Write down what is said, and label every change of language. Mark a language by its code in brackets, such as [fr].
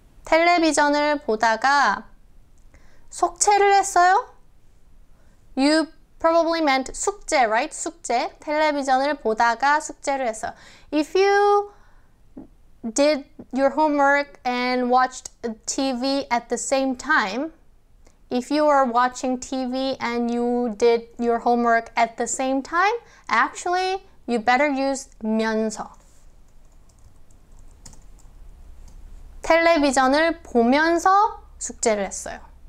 [ko] 텔레비전을 보다가 속채를 했어요? [en] You probably meant 숙제, right? 숙제. [ko] 텔레비전을 보다가 숙제를 했어. [en] If you did your homework and watched TV at the same time, if you are watching TV and you did your homework at the same time, actually, you better use 면서. [ko] 텔레비전을 보면서 숙제를 했어요.